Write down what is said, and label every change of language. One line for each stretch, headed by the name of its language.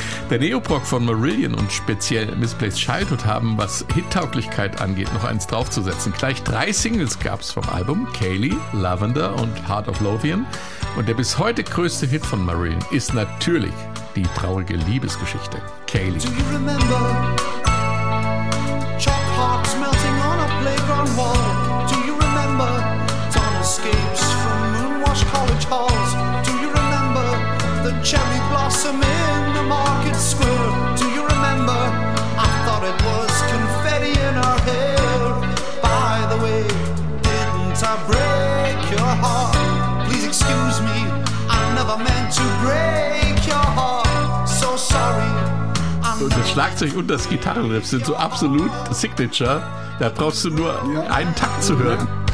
German: Der Neoprog von Marillion und speziell Misplaced Childhood haben, was Hittauglichkeit angeht, noch eins draufzusetzen. Gleich 3 Singles gab es vom Album, Kaylee, Lavender und Heart of Lothian. Und der bis heute größte Hit von Marillion ist natürlich die traurige Liebesgeschichte. Kaylee.
English: Do you remember chalk hearts melting on a playground wall? Do you remember torn escapes from moonwashed college halls? Do you remember the cherry blossom in the market square? Do you remember I thought it was confetti in our hair? By the way, didn't I break your heart? Please excuse me, I never meant to break your heart. So sorry.
German: Und das Schlagzeug und das Gitarrenriff sind so absolut Signature. Da brauchst du nur einen Takt zu hören.